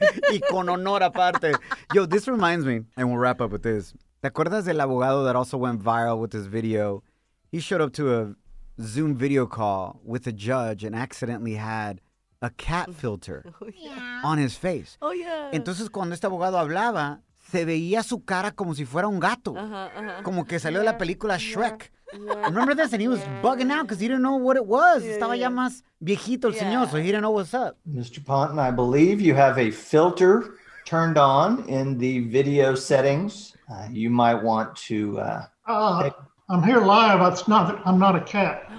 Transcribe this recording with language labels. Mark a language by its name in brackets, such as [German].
[Spanish] Y con honor aparte. [English] Yo, this reminds me, and we'll wrap up with this. [Spanish] ¿Te acuerdas del abogado [English] that also went viral with this video? He showed up to a Zoom video call with a judge and accidentally had a cat filter on his face. Oh, yeah. [Spanish] Entonces, cuando este abogado hablaba, se veía su cara como si fuera un gato. Como que salió de la película Shrek. [English] Yeah. Yeah. Remember this? And he was bugging out because he didn't know what it was. [Spanish] Estaba ya más viejito el señor, [English] so he didn't know what's up. Mr. Ponton, I believe you have a filter turned on in the video settings. You might want to... I'm here live. I'm not a cat.